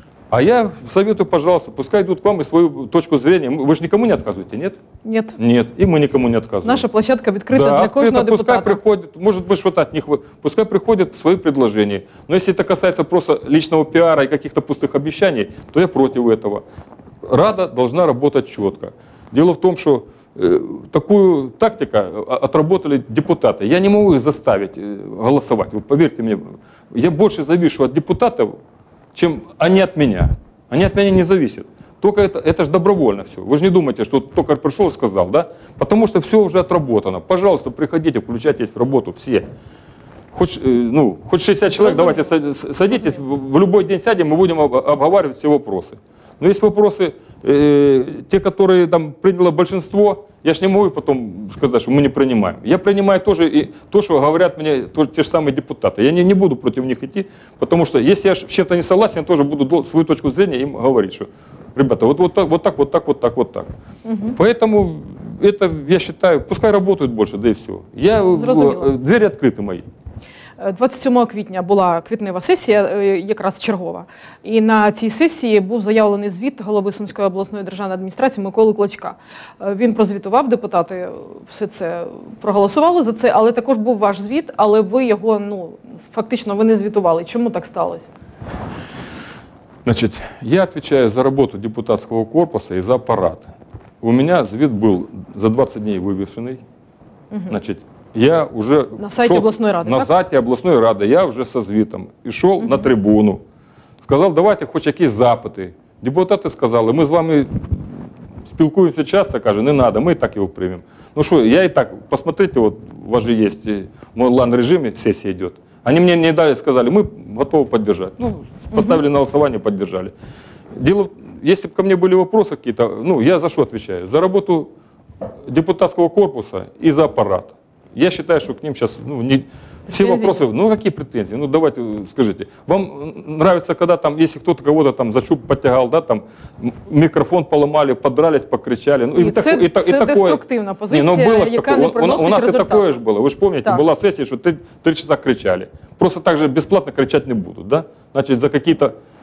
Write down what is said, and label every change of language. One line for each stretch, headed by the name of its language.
Russian: А я советую, пожалуйста, пускай йдуть к вам і свою точку зрения.
Ukrainian: Ви ж нікому не відказуєте, ні?
Russian: Нет. Нет.
Ukrainian: І ми нікому не відказуємо. Наша площадка відкрита, да, для кожного депутата. Пускай приходять, може би, щось від них, пускай приходять свої предложения.
Russian: Но если это касается просто личного піара і каких-то пустых обещаний, то я против этого. Рада должна работать четко. Дело в том, что такую тактику отработали депутаты. Я не могу их заставить голосовать. Вы поверьте мне, я больше завишу от депутатов, чем они от меня. Они от меня не зависят. Только это же добровольно все. Вы же не думаете, что только пришел и сказал, да? Потому что все уже отработано. Пожалуйста, приходите, включайтесь в работу все. Хоть, ну, хоть 60 человек, давайте садитесь, в любой день сядем, мы будем обговаривать все вопросы. Но есть вопросы, те, которые там приняло большинство, я же не могу потом сказать, что мы не принимаем. Я принимаю тоже и то, что говорят мне те же самые депутаты. Я не буду против них идти, потому что если я с чем-то не согласен, я тоже буду свою точку зрения им говорить, что, ребята, вот так. Угу. Поэтому это, я считаю, пускай работают больше, да и все. Я, двери открыты мои.
Ukrainian: 27 квітня була квітнева сесія, якраз чергова. І на цій сесії був заявлений звіт голови Сумської обласної державної адміністрації Миколи Клочка. Він прозвітував, депутати все це проголосували за це, але також був ваш звіт, але ви його, ну, фактично, ви не звітували. Чому так сталося? Значить, я відповідаю за роботу депутатського корпусу і за апарат. У мене звіт був за 20 днів вивішений. Значить, я вже на сайті обласної ради, на сайті обласної ради, я вже зі звітом ішов на трибуну, сказав, давайте хоч якісь запити. Депутати сказали, ми з вами спілкуємося часто, каже, не треба, ми і так його приймемо. Ну що, я і так, посмотрите, от, у вас же є в онлайн-режимі, сесія йде. Вони мені не дали, сказали, ми готові підтримати. Ну, поставили на голосування, підтримали. Діло, якщо б ко мені були питання якісь, ну, я за що відповідаю? За роботу депутатського корпусу і за апарат.
Russian: Я считаю, что к ним сейчас ну, не... все вопросы, ну какие претензии, ну давайте скажите, вам нравится, когда там, если кто-то кого-то там за чуб подтягал, да, там микрофон поломали, подрались, покричали. Ну, это деструктивная позиция, не, ну, было, яка не приносит результат. У нас результат. И такое же было, вы же помните, так. Была сессия, что три часа кричали. Просто так же бесплатно кричать не будут, да, значит за какие-то